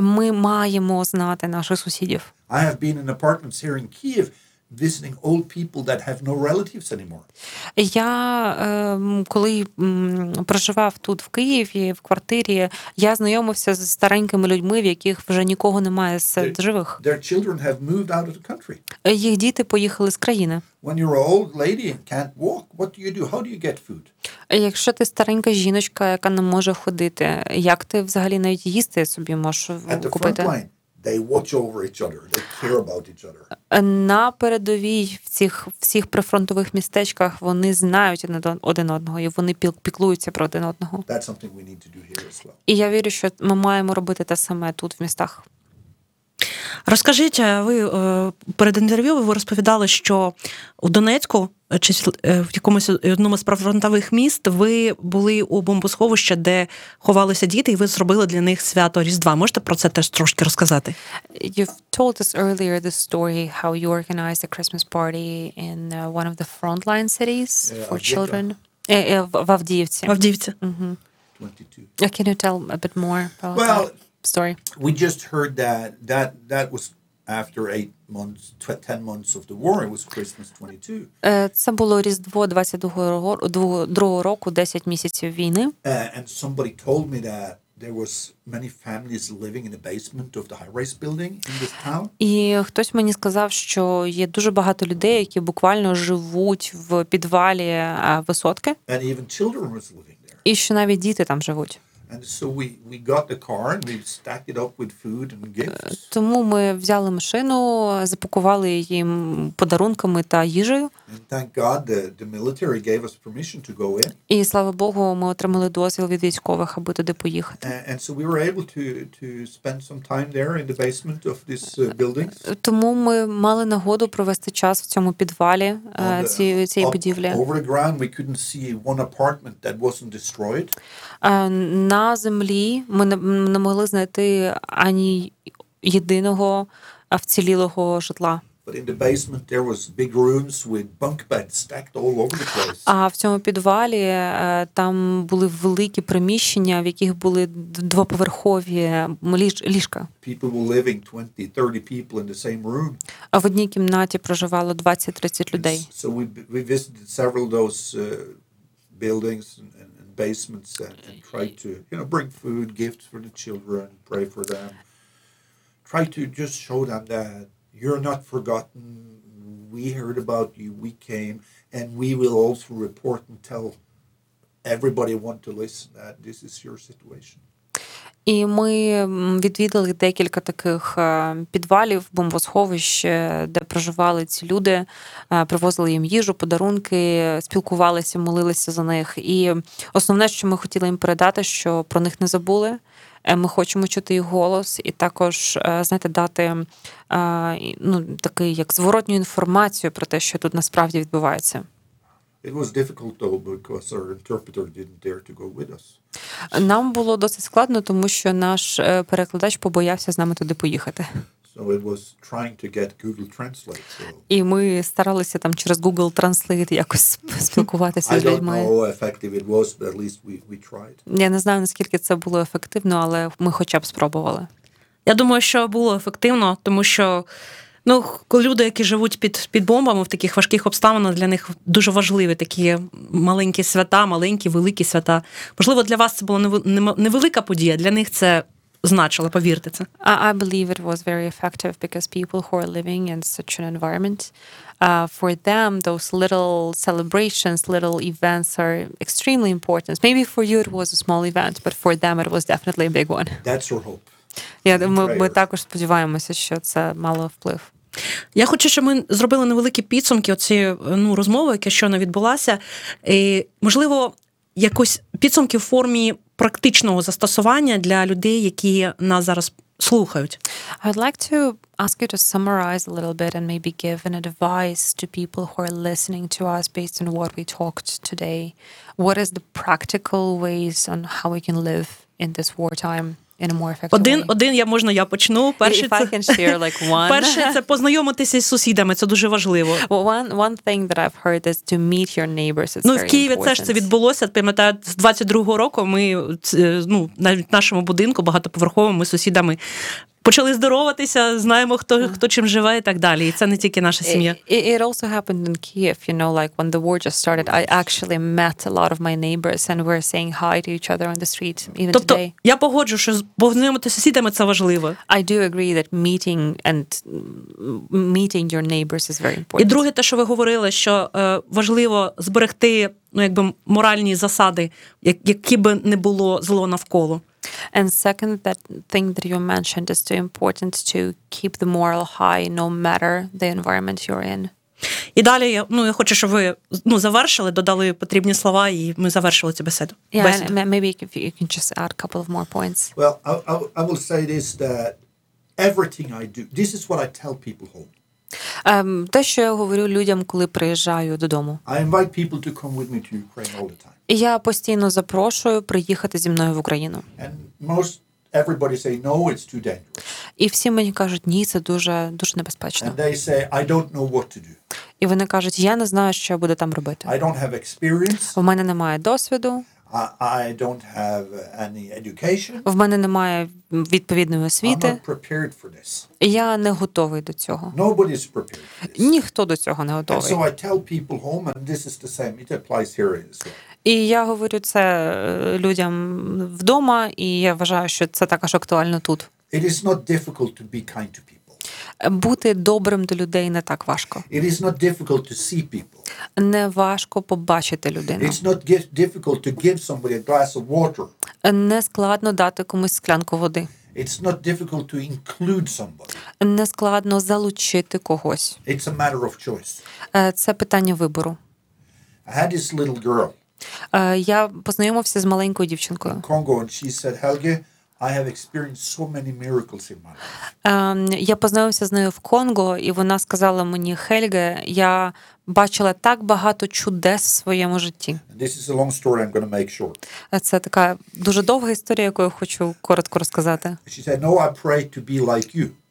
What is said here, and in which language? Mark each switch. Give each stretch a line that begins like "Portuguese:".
Ukrainian: Ми маємо знати наших сусідів.
English: I have been in apartments here in Kyiv. Visiting old people that have no relatives anymore.
Ukrainian: Я коли проживав тут в Києві в квартирі, я знайомився з старенькими людьми, в яких вже нікого немає з живих.
English: Their children have moved out of the country.
Ukrainian: Їх діти поїхали з країни.
English: When you're an old lady and can't walk, what do you do? How do you get food?
Ukrainian: Якщо ти старенька жіночка, яка не може ходити, як ти взагалі навіть їсти собі можеш купити?
English: At the front line. They watch over each other. They care about each other.
Ukrainian: На передовій в цих всіх прифронтових містечках вони знають один одного, і вони піклуються про один одного.
English: That's something we need to do here as well.
Ukrainian: І я вірю, що ми маємо робити те саме тут в містах. Розкажіть, ви перед інтерв'ю ви розповідали, що у Донецьку чи в якомусь одному з прифронтових міст ви були у бомбосховищі, де ховалися діти, і ви зробили для них свято Різдва. Можете про це теж трошки розказати?
English: You've told us earlier the story how you organized a Christmas party in one of the frontline cities for children.
Ukrainian: В Авдіївці. В Авдіївці. Mm-hmm.
English: Can you tell a bit more about that? Story. We just heard that was after 8 months, 10 months of the war. It was Christmas 22.
Ukrainian: Це було Різдво 22-го року, 10 місяців війни.
English: And somebody told me that there was many families living in the basement of the high-rise building in this town.
Ukrainian: І хтось мені сказав, що є дуже багато людей, які буквально живуть в підвалі висотки.
English: And even children were living there.
Ukrainian: І що навіть діти там живуть.
English: And so we got the car and we stacked it up with food and gifts.
Ukrainian: Тому ми взяли машину, запакували її подарунками та їжею.
English: And thank God the military gave us permission to go in.
Ukrainian: І слава Богу, ми отримали дозвіл від військових, аби туди поїхати.
English: And so we were able to spend some time there in the basement of this building.
Ukrainian: Тому ми мали нагоду провести час в цьому підвалі цієї будівлі.
English: Over the ground we couldn't see one apartment that wasn't destroyed.
Ukrainian: На землі ми не могли знайти ані єдиного вцілілого житла.
English: But in the basement there was big rooms with bunk beds stacked all over the place.
Ukrainian: А в цьому підвалі там були великі приміщення, в яких були двоповерхові ліжка.
English: People were living 20-30 people in the same room.
Ukrainian: А в одній кімнаті проживало 20-30 людей.
English: And so we visited several of those buildings and basements and tried to, you know, bring food, gifts for the children, pray for them. Try to just show them that you're not forgotten. We heard about you. We came, and we will also report and tell everybody who want to listen that this is your situation.
Ukrainian: І ми відвідали декілька таких підвалів, бомбосховищ, де проживали ці люди, привозили їм їжу, подарунки, спілкувалися, молилися за них. І основне, що ми хотіли їм передати, що про них не забули. Ми хочемо чути їх голос і також, знаєте, дати ну, такий, як зворотню інформацію про те, що тут насправді відбувається.
English: It was difficult though because our interpreter didn't dare to go with us.
Ukrainian: Нам було досить складно, тому що наш перекладач побоявся з нами туди поїхати.
English: So it was trying to get Google Translate. So.
Ukrainian: І ми старалися там через Google Translate якось спілкуватися з людьми.
English: I don't know how effective it was, but at least we tried.
Ukrainian: Я не знаю, наскільки це було ефективно, але ми хоча б спробували. Я думаю, що було ефективно, тому що ну, люди, які живуть під бомбами в таких важких обставинах, для них дуже важливі такі маленькі свята, маленькі, великі свята. Можливо, для вас це була невелика подія, для них це значило, повірте це.
English: I believe it was very effective because people who are living in such an environment, for them, those little celebrations, little events are extremely important. Maybe for you it was a small event, but for them it was definitely a big one. That's your hope.
Ukrainian: Ми також сподіваємося, що це мало вплив. Я хочу, щоб ми зробили невеликі підсумки оцієї ну, розмови, яка щойно відбулася. І, можливо, якось підсумки в формі практичного застосування для людей, які нас зараз слухають.
English: I'd like to ask you to summarize a little bit and maybe give an advice to people who are listening to us based on what we talked today. What is the practical ways on how we can live in this wartime? In a more effective
Ukrainian: Один я можна я почну. Перше це, перше це познайомитися з сусідами, це дуже важливо.
English: Well, one thing that I've heard is to meet your neighbors.
Ukrainian: Ну, в Києві теж це відбулося. Пам'ятаю, з 22-го року ми, ну, на нашому будинку багатоповерховому сусідами почали здороватися, знаємо хто чим живе і так далі. І це не тільки наша сім'я.
English: It also happened in Kiev, you know, like when the war just started, I actually met a lot of my neighbors and we're saying hi to each other on the street even
Ukrainian: тобто,
English: today.
Ukrainian: Тобто я погоджу, що познайомитися з сусідами це важливо.
English: I do agree that meeting your neighbors is very important.
Ukrainian: І друге те, що ви говорили, що важливо зберегти, ну, якби моральні засади, які б не було зло навколо.
English: And second, that thing that you mentioned is too important to keep the moral high no matter the environment you're in.
Ukrainian: І далі, ну, я хочу, щоб ви, ну, завершили, додали потрібні слова, і ми завершили цю бесіду.
English: Yeah, and maybe you can just add a couple of more points. Well, I will say this, that everything I do, this is what I tell people home.
Ukrainian: Те, що я говорю людям, коли приїжджаю додому.
English: I invite people to come with me to Ukraine all the time.
Ukrainian: І я постійно запрошую приїхати зі мною в Україну.
English: And most everybody say, no, it's too dangerous.
Ukrainian: І всі мені кажуть, ні, це дуже, дуже небезпечно.
English: And they say, I don't know what to do.
Ukrainian: І вони кажуть, я не знаю, що я буду там робити.
English: I don't have experience.
Ukrainian: У мене немає досвіду.
English: I don't have any education.
Ukrainian: В мене немає відповідної освіти.
English: I'm not prepared for this.
Ukrainian: Я не готовий до цього.
English: Nobody's prepared for this.
Ukrainian: Ніхто до цього не готовий.
English: And so I tell people home, and this is the same. It applies here as well.
Ukrainian: І я говорю це людям вдома, і я вважаю, що це також актуально тут.
English: It is not difficult to be kind to people.
Ukrainian: Бути добрим до людей не так важко.
English: It is not difficult to see people.
Ukrainian: Не важко побачити людину.
English: It's not difficult to give somebody a glass of water.
Ukrainian: Не складно дати комусь склянку води.
English: It's not difficult to include somebody.
Ukrainian: Не складно залучити когось.
English: It's a matter of choice.
Ukrainian: Це питання вибору.
English: I had this little girl.
Ukrainian: Я познайомився з маленькою дівчинкою.
English: In Congo, and she said, Helge, I have experienced so many miracles in my life.
Ukrainian: Я познайомився з нею в Конго, і вона сказала мені: "Хельге, я бачила так багато чудес в своєму житті".
English: This is a long story, I'm going to make short.
Ukrainian: Це така дуже довга історія, яку я хочу коротко розказати.
English: She said, "No, I pray to be like you".